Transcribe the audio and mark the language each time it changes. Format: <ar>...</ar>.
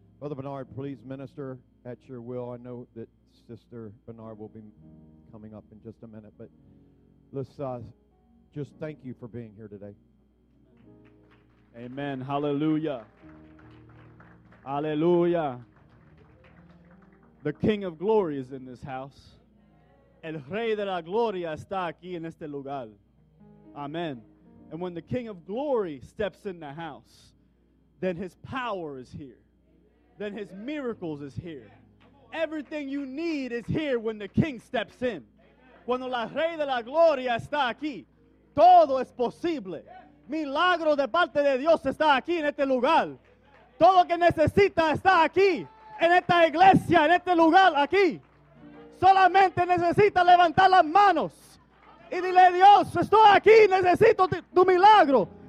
<en>Brother Bernard, please minister at your will. I know that Sister Bernard will be coming up in just a minute. But let's just thank you for being here today. Amen. Hallelujah. Hallelujah. The King of Glory is in this house.</en> <es>El Rey de la Gloria está aquí en este lugar.</es> <en>Amen. And when the King of Glory steps in the house, then his power is here. then his miracles is here. Everything you need is here when the king steps in.</en> <es>Cuando la rey de la gloria está aquí, todo es posible. Milagro de parte de Dios está aquí en este lugar. Todo que necesita está aquí, en esta iglesia, en este lugar, aquí. Solamente necesita levantar las manos y dile, Dios, estoy aquí, necesito tu milagro.</es>